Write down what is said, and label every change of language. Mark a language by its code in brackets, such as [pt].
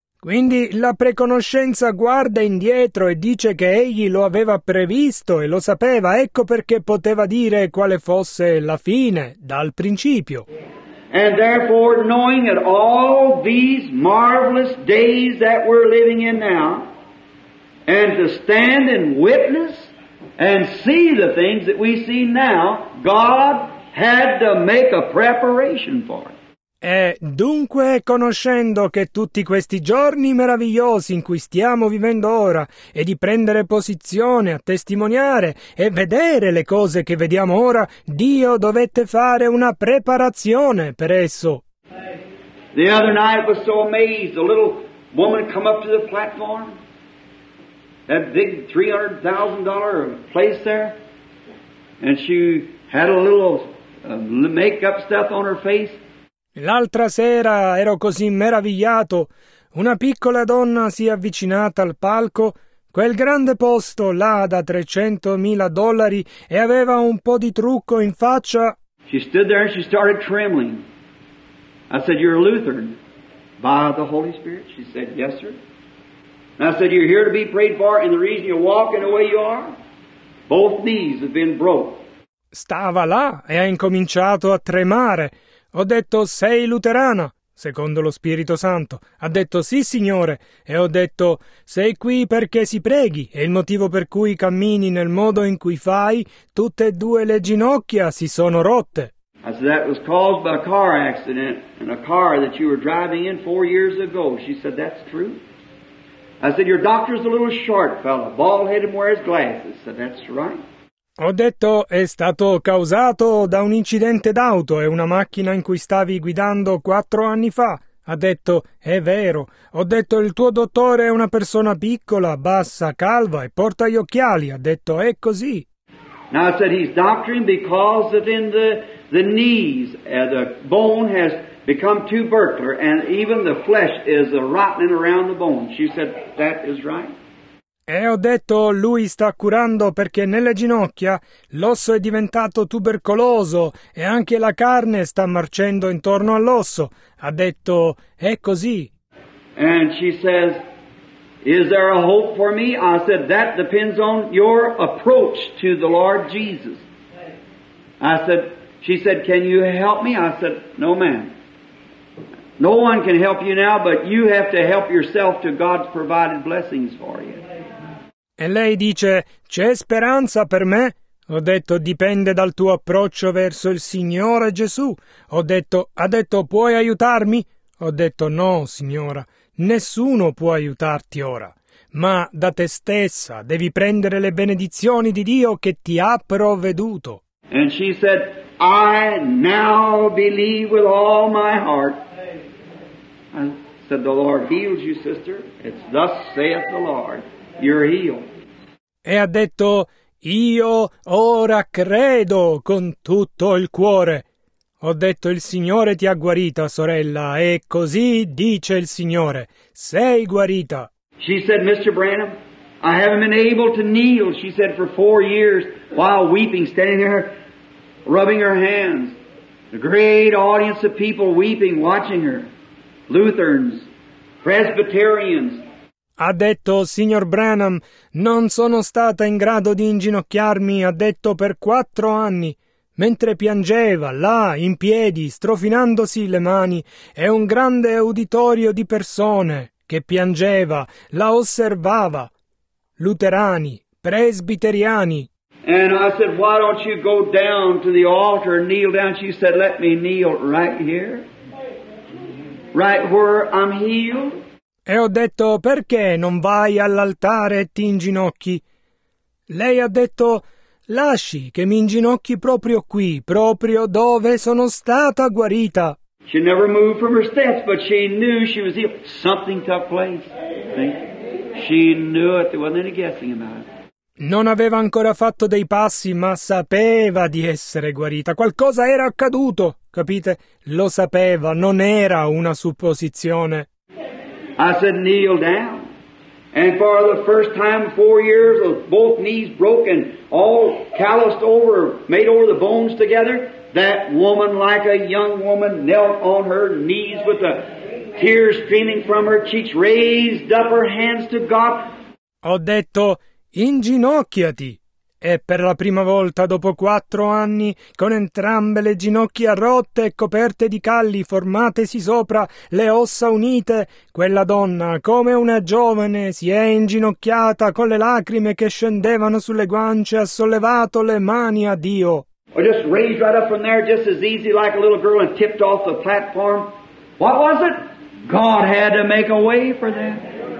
[it] Quindi la preconoscenza guarda indietro e dice che egli lo aveva previsto e lo sapeva, ecco perché poteva dire quale fosse la fine dal principio. [en] And therefore, knowing that all these marvelous days that we're living in now, and to stand and witness and see the things that we see now, God had to make a preparation for it. [it] E dunque, conoscendo che tutti questi giorni meravigliosi in cui stiamo vivendo ora, e di prendere posizione a testimoniare e vedere le cose che vediamo ora, Dio dovette fare una preparazione per esso. [en] The other night was so amazed, a little woman come up to the platform, that big $300,000 place there, and she had a little makeup stuff on her face. [it] L'altra sera ero così meravigliato. Una piccola donna si è avvicinata al palco, quel grande posto là da $300,000, e aveva un po' di trucco in faccia. [en] She stood there and she started trembling. I said, "You're a Lutheran by the Holy Spirit?" She said, "Yes, sir." And I said, "You're here to be prayed for, and the reason you're walking the way you are, both knees have been broke." [it] Stava là e ha incominciato a tremare. Ho detto, sei luterana, secondo lo Spirito Santo. Ha detto, sì, Signore. E ho detto, sei qui perché si preghi, e il motivo per cui cammini nel modo in cui fai, tutte e due le ginocchia si sono rotte. [en] I said, that was caused by a car accident and a car that you were driving in 4 years ago. She said, that's true. I said, your doctor's a little short fellow, bald-headed, wears glasses. I said, that's right. [it] Ho detto, è stato causato da un incidente d'auto e una macchina in cui stavi guidando 4 anni fa. Ha detto, è vero. Ho detto, il tuo dottore è una persona piccola, bassa, calva e porta gli occhiali. Ha detto, è così. [en] Now I said, he's doctoring because that in the knees, the bone has become too burglar and even the flesh is rotting around the bone. She said, that is right. [it] E ho detto, lui sta curando perché nelle ginocchia l'osso è diventato tubercoloso e anche la carne sta marcendo intorno all'osso. Ha detto, è così. [en] And she says, is there a hope for me? I said, that depends on your approach to the Lord Jesus. I said, she said, can you help me? I said, no ma'am. No one can help you now, but you have to help yourself to God's provided blessings for you. [it] E lei dice, c'è speranza per me? Ho detto, dipende dal tuo approccio verso il Signore Gesù. Ha detto, puoi aiutarmi? Ho detto, no, signora, nessuno può aiutarti ora. Ma da te stessa devi prendere le benedizioni di Dio che ti ha provveduto. [en] And she said, I now believe with all my heart. And said, the Lord heals you, sister. It's thus saith the Lord. You're healed. [it] E ha detto, io ora credo con tutto il cuore. Ho detto, il Signore ti ha guarita, sorella, e così dice il Signore, sei guarita. [en] She said, Mr. Branham, I haven't been able to kneel, she said, for 4 years, while weeping, standing there, rubbing her hands. A great audience of people weeping, watching her. Lutherans, Presbyterians. [it] Ha detto, signor Branham, non sono stata in grado di inginocchiarmi, ha detto, per 4 anni, mentre piangeva, là, in piedi, strofinandosi le mani, e un grande uditorio di persone, che piangeva, la osservava, luterani, presbiteriani. [en] And I said, why don't you go down to the altar and kneel down? She said, let me kneel right here, right where I'm healed. [it] E ho detto, perché non vai all'altare e ti inginocchi? Lei ha detto, lasci che mi inginocchi proprio qui, proprio dove sono stata guarita. [en] She never moved from her steps, but she knew she was healed. Something took place. She knew it. There wasn't any guessing about it. [it] Non aveva ancora fatto dei passi, ma sapeva di essere guarita. Qualcosa era accaduto, capite? Lo sapeva, non era una supposizione. [en] I said, kneel down. And for the first time in 4 years, with both knees broken, all calloused over, made over the bones together, that woman, like a young woman, knelt on her knees with the tears streaming from her cheeks, raised up her hands to God. [it] Ho detto, inginocchiati. E per la prima volta dopo 4 anni, con entrambe le ginocchia rotte e coperte di calli formatesi sopra, le ossa unite, quella donna, come una giovane, si è inginocchiata con le lacrime che scendevano sulle guance, ha sollevato le mani a Dio. [en] Or just raised right up from there, just as easy like a little girl, and tipped off the platform. What was it? God had to make a way for them.